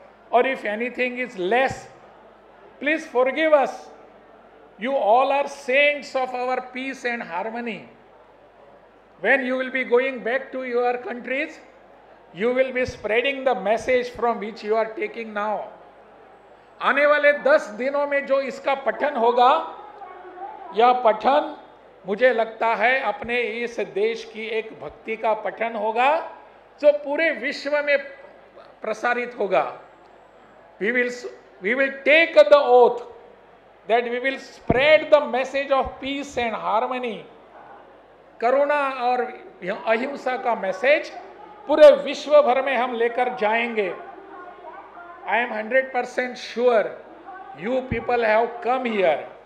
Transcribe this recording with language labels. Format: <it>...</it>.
<en>Or if anything is less, please forgive us. You all are saints of our peace and harmony. When you will be going back to your countries, you will be spreading the message from which you are taking now.</en> <hi>आने वाले 10 दिनों में जो इसका पठन होगा यह पठन मुझे लगता है अपने इस देश की एक भक्ति का पठन होगा जो पूरे विश्व में प्रसारित होगा.</hi> <en>We will take the oath that we will spread the message of peace and harmony, Karuna</en> <hi>और अहिंसा का मैसेज पूरे विश्व भर में हम लेकर जाएंगे.</hi> <en>I am 100% sure you people have come here.</en>